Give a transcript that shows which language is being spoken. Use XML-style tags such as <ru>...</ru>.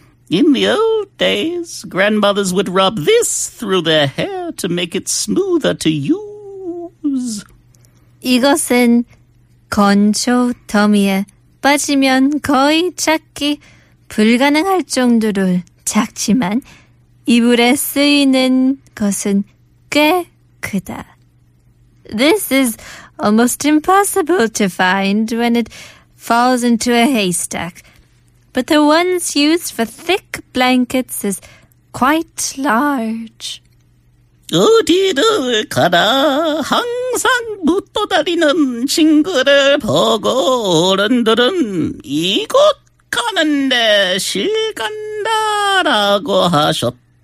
<en>In the old days, grandmothers would rub this through their hair to make it smoother to use.</en> <ko>이것은 건조 더미에 빠지면 거의 찾기 불가능할 정도로 작지만 이불에 쓰이는 것은 꽤 크다.</ko> <en>This is almost impossible to find when it falls into a haystack. But the ones used for thick blankets is quite large.</en> <ko>어디를 가나 항상 붙어 다니는 친구를 보고 어른들은 이곳 가는데 실간다라고 하셨다.</ko>